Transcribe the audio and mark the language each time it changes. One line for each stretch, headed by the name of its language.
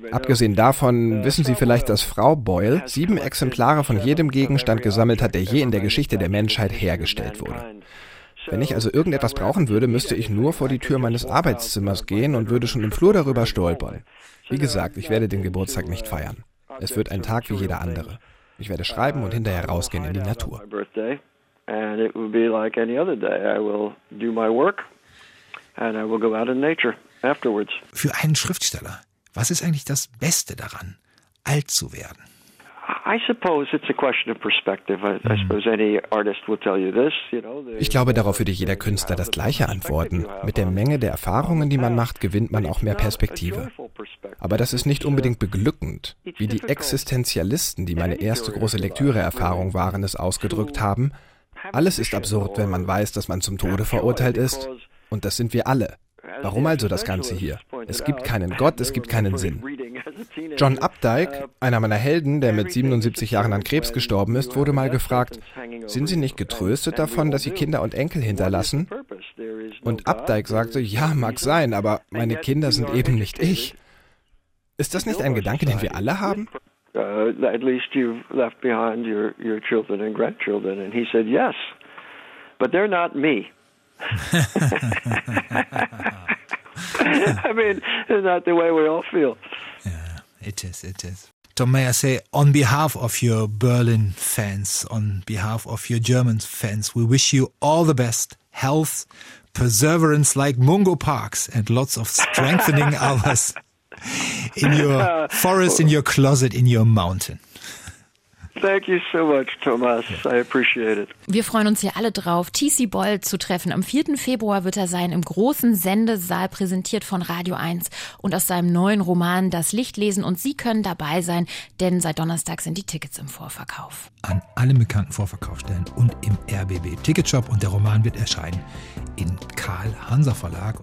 German: Abgesehen davon, wissen Sie vielleicht, dass Frau Boyle 7 Exemplare von jedem Gegenstand gesammelt hat, der je in der Geschichte der Menschheit hergestellt wurde. Wenn ich also irgendetwas brauchen würde, müsste ich nur vor die Tür meines Arbeitszimmers gehen und würde schon im Flur darüber stolpern. Wie gesagt, ich werde den Geburtstag nicht feiern. Es wird ein Tag wie jeder andere. Ich werde schreiben und hinterher rausgehen in die Natur.
English: And it would be like any other day. I will do my work and I will go out in nature afterwards.
German: Für einen Schriftsteller, was ist eigentlich das Beste daran, alt zu werden?
English: I suppose it's a question of perspective. I suppose any artist will tell you this.
German: Ich glaube, darauf würde jeder Künstler das Gleiche antworten. Mit der Menge der Erfahrungen, die man macht, gewinnt man auch mehr Perspektive. Aber das ist nicht unbedingt beglückend. Wie die Existenzialisten, die meine erste große Lektüre-Erfahrung waren, es ausgedrückt haben: Alles ist absurd, wenn man weiß, dass man zum Tode verurteilt ist. Und das sind wir alle. Warum also das Ganze hier? Es gibt keinen Gott, es gibt keinen Sinn. John Updike, einer meiner Helden, der mit 77 Jahren an Krebs gestorben ist, wurde mal gefragt: Sind Sie nicht getröstet davon, dass Sie Kinder und Enkel hinterlassen? Und Updike sagte: Ja, mag sein, aber meine Kinder sind eben nicht ich. Ist das nicht ein Gedanke, den wir alle haben?
English: At least you've left behind your children and grandchildren. And he said, yes, but they're not me. I mean, it's not the way we all feel. Yeah, it is, it is. Tom, may I say, on behalf of your Berlin fans, on behalf of your German fans, we wish you all the best, health, perseverance like Mungo Parks, and lots of strengthening hours. In your forest, in your closet, in your mountain. Thank you so much, Thomas. I appreciate it.
German: Wir freuen uns hier alle drauf, TC Boll zu treffen. Am 4. Februar wird er sein im großen Sendesaal, präsentiert von Radio 1 und aus seinem neuen Roman Das Licht lesen. Und Sie können dabei sein, denn seit Donnerstag sind die Tickets im Vorverkauf. An allen bekannten Vorverkaufsstellen und im RBB Ticketshop. Und der Roman wird erscheinen in Karl Hanser Verlag.